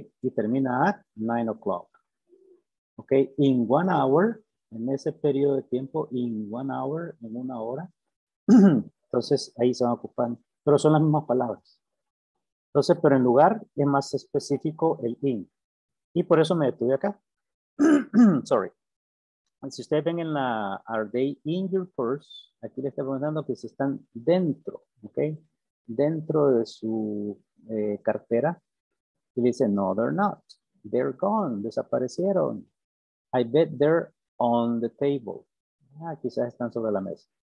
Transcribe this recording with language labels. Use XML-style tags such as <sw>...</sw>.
<es>Y termina</es> <en>at 9 o'clock.</en> <es>Ok,</es> <en>in 1 hour,</en> <es>en ese periodo de tiempo,</es> <en>in 1 hour,</en> <es>en 1 hora, entonces ahí se van ocupando, pero son las mismas palabras. Entonces, pero en lugar es más específico el in. Y por eso me detuve acá. Sorry. Si ustedes ven en la,</es> <en>are they in your purse?</en> <es>Aquí les estoy preguntando que si están dentro, ok, dentro de su cartera. Y dice,</es> <en>no, they're not. They're gone, desaparecieron. I bet they're on the table. Ah,</en> <es>quizás están sobre la mesa.</es>